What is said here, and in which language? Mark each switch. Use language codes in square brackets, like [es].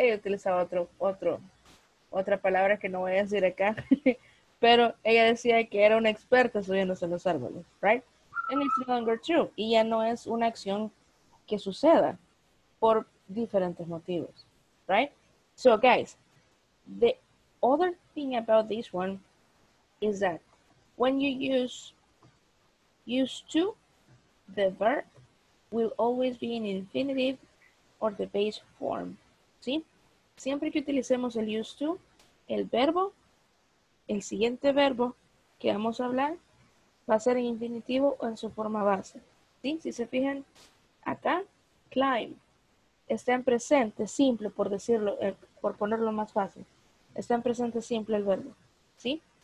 [es] Ella utilizaba otra palabra que no voy a decir acá. Pero ella decía que era una experta subiéndose a los árboles, right? [en] And it's no longer true. [es] Y ya no es una acción que suceda por diferentes motivos, right? [en] So, guys, the other thing about this one is that when you used to, the verb will always be in infinitive or the base form, ¿sí? [es] Siempre que utilicemos el used to, el verbo, el siguiente verbo que vamos a hablar, va a ser en infinitivo o en su forma base, ¿sí? Si se fijan acá, climb, está en presente simple, por decirlo, por ponerlo más fácil, está en presente simple el verbo, ¿sí?